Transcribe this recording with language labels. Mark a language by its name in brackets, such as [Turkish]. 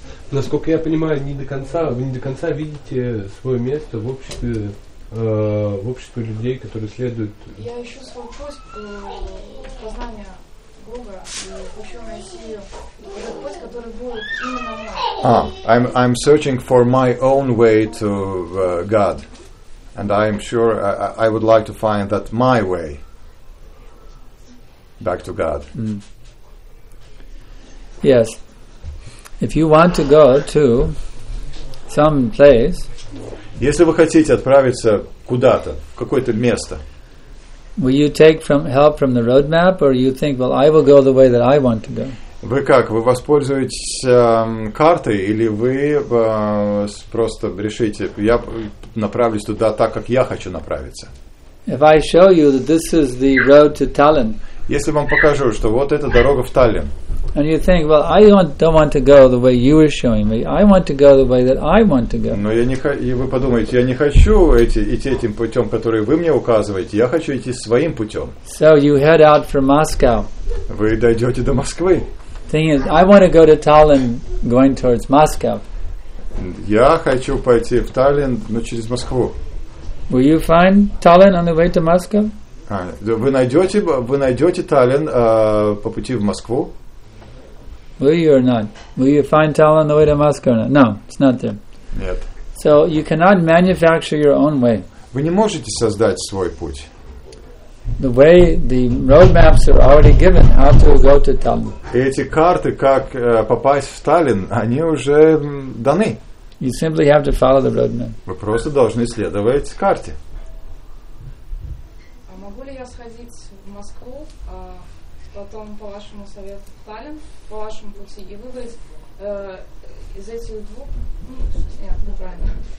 [Russian] Насколько я понимаю, вы не до конца видите свое место в обществе людей, которые следуют. Я ищу свой поиск познания Бога и хочу найти этот поиск, который будет именно мне. [English] I'm searching for my own way to God. And I'm sure I would like to find that my way. Back to God. Mm. Yes. If you want to go to some place, [Russian] если вы хотите отправиться куда-то, в какое-то место, [English] will you take from help from the roadmap, or you think, well, I will go the way that I want to go? [Russian] Вы как? Вы воспользуетесь картой, или вы просто решите, я направлюсь туда так, как я хочу направиться? [English] If I show you that this is the road to Tallinn. [Russian] Если вам покажу, что вот эта дорога в Таллин. [English] And you think, well, I don't want to go the way you were showing me. I want to go the way that I want to go. [Russian] Но я не и вы подумаете, я не хочу идти этим путем, который вы мне указываете. Я хочу идти своим путем. [English] So you head out from Moscow. [Russian] Вы дойдете до Москвы. [English] Thing is, I want to go to Tallinn, going towards Moscow. [Russian] Я хочу пойти в Таллин, но через Москву. [English] Will you find Tallinn on the way to Moscow? [Russian] Вы найдете Таллин по пути в Москву? [English] Will you or not? Will you find Tallinn on the way to Moscow or not? No, it's not there. [Russian] Нет. [English] So you cannot manufacture your own way. [Russian] Вы не можете создать свой путь. [English] The way the roadmaps are already given, how to go to Tallinn. [Russian] Эти карты, как попасть в Таллин, они уже даны. [English] You simply have to follow the roadmap. [Russian] Вы просто должны следовать карте. А могу ли я сходить в Москву, потом по вашему совету в Таллин, по вашему пути, и выбрать из этих двух... Нет, неправильно.